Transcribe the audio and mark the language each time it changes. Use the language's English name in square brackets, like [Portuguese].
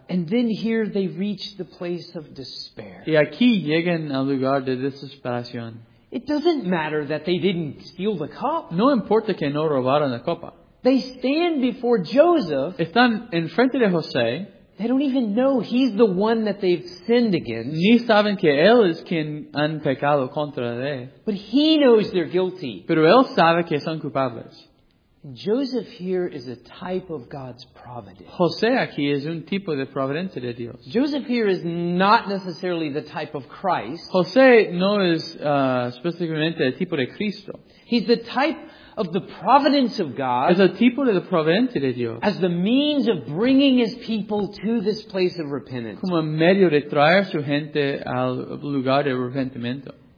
[English] And then here they reach the place of despair. [Spanish] Y aquí llegan al lugar de desesperación. [English] It doesn't matter that they didn't steal the cup. [Spanish] No importa que no robaron la copa. [English] They stand before Joseph. [Spanish] Están en frente de José. [English] They don't even know he's the one that they've sinned against. [Spanish] Ni saben que él es quien han pecado contra él. [English] But he knows they're guilty. [Spanish] Pero él sabe que son culpables. [English] Joseph here is a type of God's providence. [Spanish] José aquí es un tipo de providencia de Dios. [English] Joseph here is not necessarily the type of Christ. [Spanish] José no es específicamente el tipo de Cristo. [English] He's the type of the providence of God. [Spanish] Es el tipo de la providencia de Dios. [English] As the means of bringing his people to this place of repentance. [Spanish] Como medio de traer su gente al lugar de arrepentimiento.